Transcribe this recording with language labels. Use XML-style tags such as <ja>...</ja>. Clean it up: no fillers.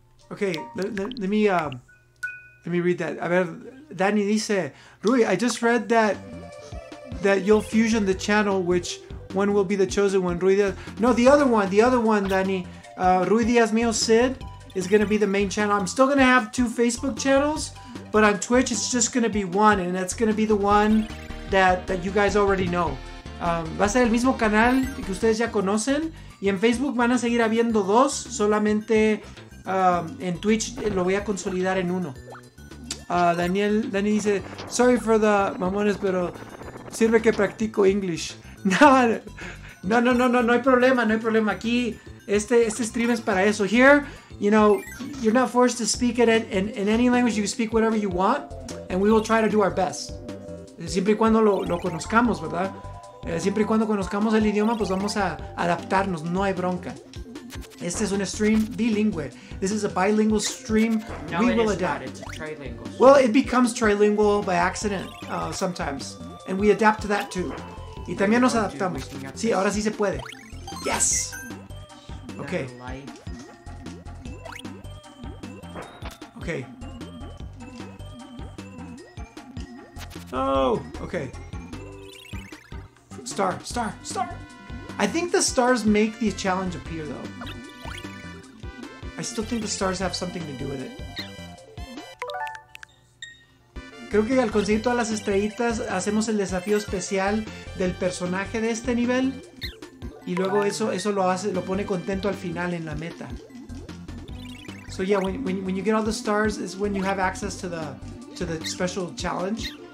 <en>Okay, let me read that.</en> <es>A ver, Danny dice,</es> <en>Rui, I just read that you'll fusion the channel, which one will be the chosen one? Rui Diaz... No, the other one, Danny. Rui Diaz Mio Cid is going to be the main channel. I'm still going to have two Facebook channels, but on Twitch it's just going to be one, and that's going to be the one... That you guys already know.</en> <es>Va a ser el mismo canal que ustedes ya conocen. Y en Facebook van a seguir habiendo dos. Solamente en Twitch lo voy a consolidar en uno. Dani dice,</es> <en>sorry for the</en> <es>mamones, pero sirve que practico English. No hay problema. Aquí, este stream es para eso.</es> <en>Here, you know, you're not forced to speak it in any language. You speak whatever you want. And we will try to do our best.</en> <es>Siempre y cuando lo conozcamos, ¿verdad? Siempre y cuando conozcamos el idioma, pues vamos a adaptarnos. No hay bronca. Este es un stream bilingüe.</es> <en>This is a bilingual stream. No, we it will is adapt. Not. It's a trilingual stream. Well, it becomes trilingual by accident sometimes. And we adapt to that too.</en> <es>Y también nos adaptamos. Sí, ahora sí se puede. Yes! Okay.</es> <en>Okay. Oh, okay. Star. I think the stars make the challenge appear, though. I still think the stars have something to do with it.</en> <es>Creo que al conseguir todas las estrellitas, hacemos el desafío especial del personaje de este nivel. Y luego eso lo hace, lo pone contento al final en la meta.</es> <en>So yeah, when you get all the stars, is when you have access to the special challenge.</en>